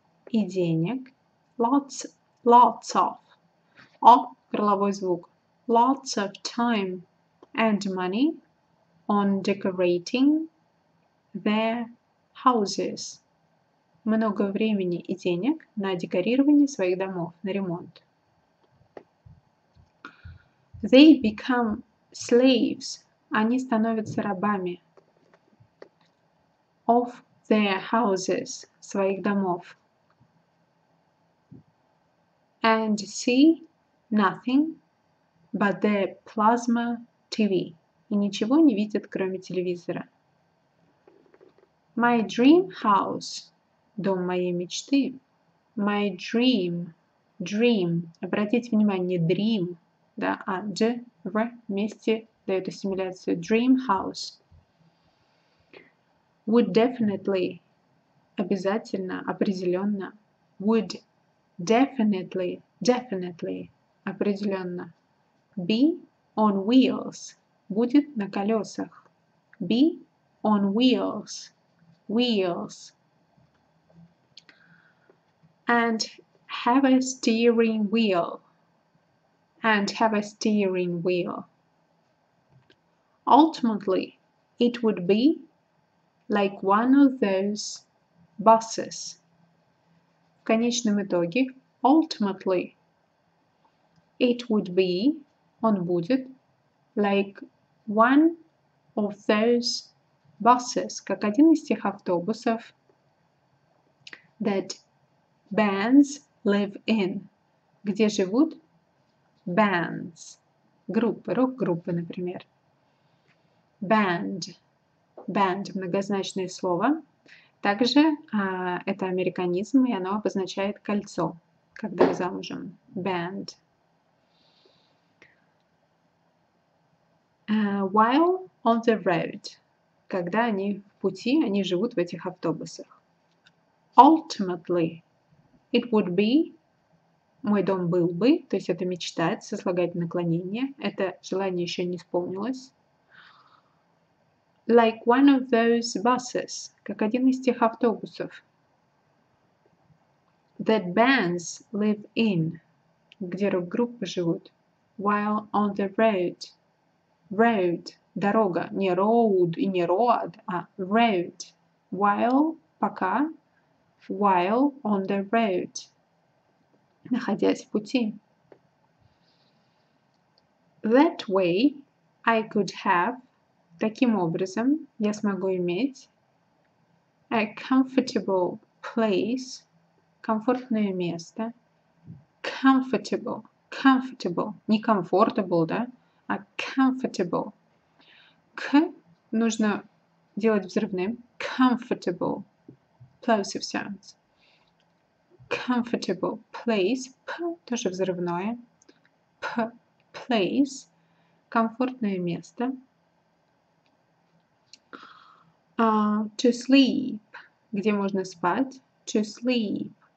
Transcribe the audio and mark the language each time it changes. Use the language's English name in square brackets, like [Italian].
[Russian] и денег, [English] lots of, [Russian] о, горловой звук, [English] lots of time and money on decorating their houses, [Russian] много времени и денег на декорирование своих домов, на ремонт. [English] They become slaves, [Russian] они становятся рабами, [English] of their houses, [Russian] своих домов, [English] and see nothing but their plasma TV, [Russian] и ничего не видят, кроме телевизора. [English] My dream house, [Russian] дом моей мечты, [English] my dream, [Russian] обратите внимание, dream, да, а «д» «в» вместе дает ассимиляцию. [English] Dream house would definitely, [Russian] обязательно, определенно, [English] would definitely, определенно, be on wheels, [Russian] будет на колесах. [English] Be on wheels. And have a steering wheel. And have a steering wheel. Ultimately, it would be like one of those buses. [Russian] В конечном итоге, [English] ultimately, it would be, [Russian] он будет, [English] like one of those buses, [Russian] как один из тех автобусов, [English] that bands live in, [Russian] где живут bands, группы, рок-группы, например. Band, многозначное слово. Также это американизм, и оно обозначает кольцо, когда вы замужем. [English] Band. While on the road, [Russian] когда они в пути, они живут в этих автобусах. [English] Ultimately, it would be, [Russian] мой дом был бы, то есть это мечтать, сослагательное наклонение. Это желание еще не исполнилось. [English] Like one of those buses, [Russian] как один из тех автобусов. [English] That bands live in, [Russian] где рок-группы живут. [English] While on the road. [Russian] Road, дорога, не road и не road, а road. [English] While, пока, while on the road. [Russian] Находясь в пути. [English] That way I could have, [Russian] таким образом я смогу иметь, [English] a comfortable place, [Russian] комфортное место, [English] comfortable, не comfortable, да, а comfortable. [Russian] К нужно делать взрывным, comfortable, [English] plosive sounds. Comfortable place, p, [Russian] тоже взрывное, [English] p, place, [Russian] комфортное место, [English] to sleep, [Russian] где можно спать, [English] to sleep,